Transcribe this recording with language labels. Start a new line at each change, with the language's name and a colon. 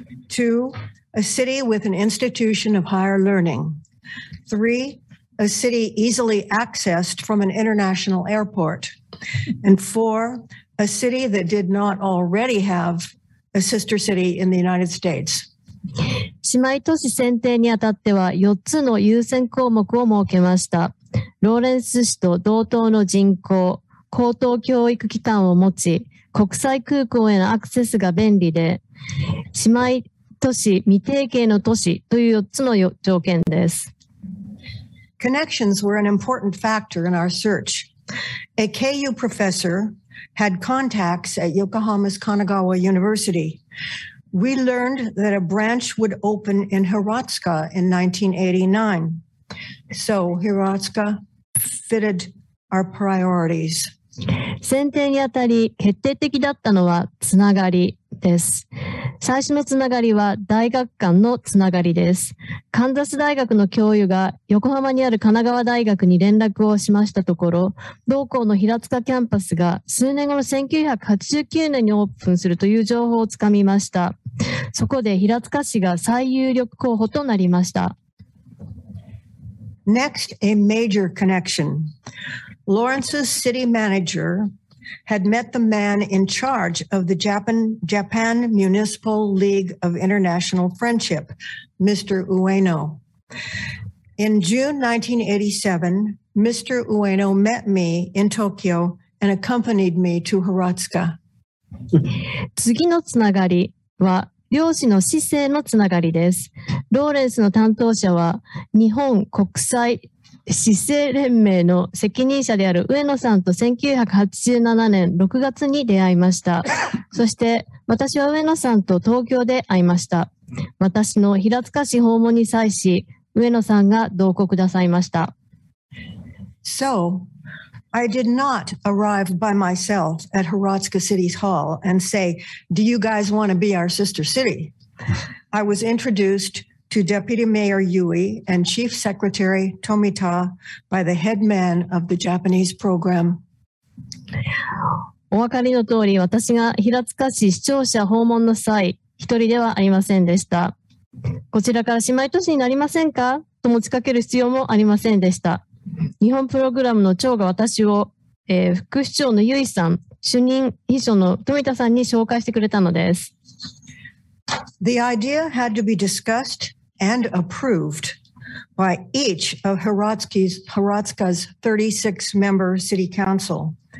English: Two, a city with an institution of higher learning. Three, a city easily accessed from an international airport. And four, a city that did not already have a sister city in the United States.
Japanese: 姉妹都市選定にあたっては4つの優先項目を設けました。ローレンス市と同等の人口、高等教育機関を持ち、国際空港へのアクセスが便利で、姉妹都市未提携の都市という4つの条件です。
English: Connections were an important factor in our search. A KU professor had contacts at Yokohama's Kanagawa UniversityWe learned that a branch would open in Hiratsuka in 1989. So Hiratsuka fitted our priorities.
Japanese: 選定にあたり決定的だったのはつながりです。最初のつながりは大学間のつながりです。カンザス大学の教諭が横浜にある神奈川大学に連絡をしましたところ、同校の平塚キャンパスが数年後の1989年にオープンするという情報をつかみました。そこで平塚氏が最有力候補となりました。
English: Next, a major connection. Lawrence's city manager had met the man in charge of the Japan Municipal League of International Friendship, Mr. Ueno. In June 1987, Mr. Ueno met me in Tokyo and accompanied me to Hiratsuka.
Japanese: 次のつながりは両氏の姿勢のつながりです。ローレンスの担当者は日本国際姿勢連盟の責任者である上野さんと1987年6月に出会いました。そして私は上野さんと東京で会いました。私の平塚市訪問に際し上野さんが同行くださいました。
English: So, I did not arrive by myself at Hiratsuka City's Hall and say, Do you guys want to be our sister city? I was introduced to Deputy Mayor Yui and Chief Secretary Tomita by the head man of the Japanese program.
Japanese: お分かりの通り、私が平塚市市長者訪問の際、一人ではありませんでした。こちらから姉妹都市になりませんかと持ちかける必要もありませんでした。日本プログラムの長が私を、副市長のユイさん、主任秘書の富田さんに紹介してくれたのです。
English: The idea had to be discussed and approved by each of Hiratsuka's 36 member city council.